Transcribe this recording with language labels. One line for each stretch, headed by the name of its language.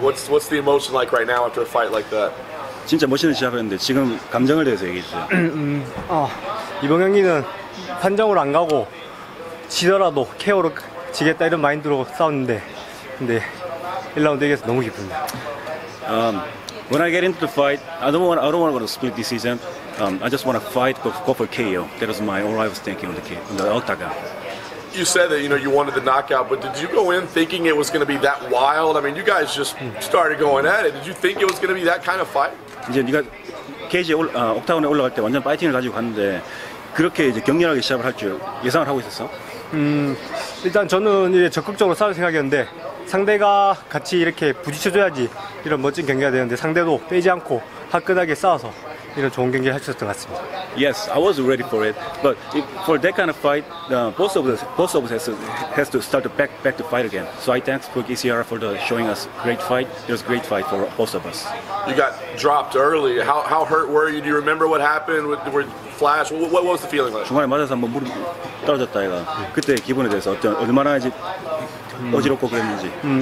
English: What's the emotion like right now after a fight like that?
Korean: 진짜 멋있는 시합이었는데 지금 감정을 대해서 얘기해 주세요. 아, 이번 경기는 판정으로 안 가고 지더라도 KO로 지겠다 이런 마인드로 싸웠는데 근데 1라운드 이겨서 너무 기쁩니다.
English: When I get into the fight, I don't want to go to split decision. I just want to fight, go for KO. That was my all I was thinking on the octagon. You said that, you know, you wanted the knockout, but did you go in thinking it was going to be that wild? I mean, you guys just started going at it. Did you think it was going to be that kind of fight?
Korean: 이제 네가 케이지 옥타곤에 올라갈 때 완전 파이팅을 가지고 갔는데 그렇게 이제 격렬하게 시합을 할 줄 예상을 하고 있었어? 일단 저는 이제 적극적으로 싸울 생각이었는데 상대가 같이 이렇게 부딪혀줘야지 이런 멋진 경기가 되는데 상대도 빼지 않고 화끈하게 싸워서 이런 좋은 경기를 할 수 있었던 것 같습니다.
English: Yes, I was ready for it. But for that kind of fight, both of us has to start to back to fight again. So I thank ECR for the showing us great fight. It was a great fight for both of us. You got dropped early. How hurt were you? Do you remember what happened with Flash? What was the feeling like?
Korean: 중간에 맞아서 한번 무릎 떨어졌다 얘가. 그때 기분에 대해서 얼마나 이제 어지럽고 그랬는지.